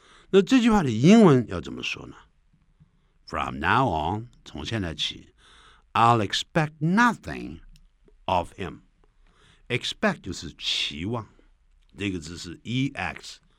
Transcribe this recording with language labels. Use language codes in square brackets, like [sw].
[zh] 那这句话的英文要怎么说呢？ [en] From now on, 从现在起， I'll expect nothing of him. [zh] Expect 就是期望，这个字是 expect.